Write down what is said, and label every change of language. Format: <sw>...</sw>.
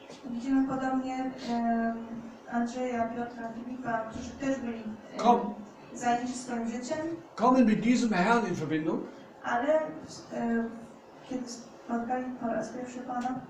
<pl>Widzimy podobnie Andrzeja, Piotra, Filipa, którzy też byli zajęci swoim życiem.</pl> <de>Kommen mit diesem Herrn in Verbindung.</de> <pl>Ale kiedy spotkali po raz pierwszy Pana,</pl>